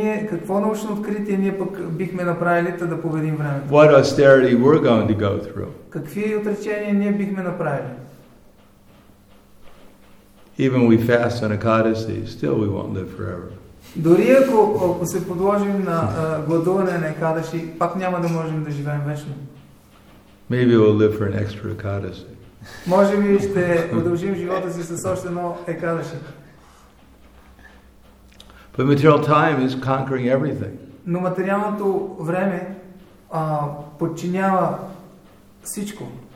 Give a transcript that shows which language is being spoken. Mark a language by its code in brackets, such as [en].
[bg] Какво научно откритие ние пък бихме направили да победим времето? [en] What austerity we're going to go through? [bg] Какви отречения ние бихме направили? [en] Even we fast on Ekadasi, still we won't live forever. [bg] Дори ако се подложим на гладуване на Екадаши, пак няма да можем да живеем вечно. [en] Maybe we'll live for an extra Ekadasi. [bg] Може би ще удължим живота си с още едно Екадаши. [en] But material time is conquering everything. [bg] Но материалното време подчинява всичко.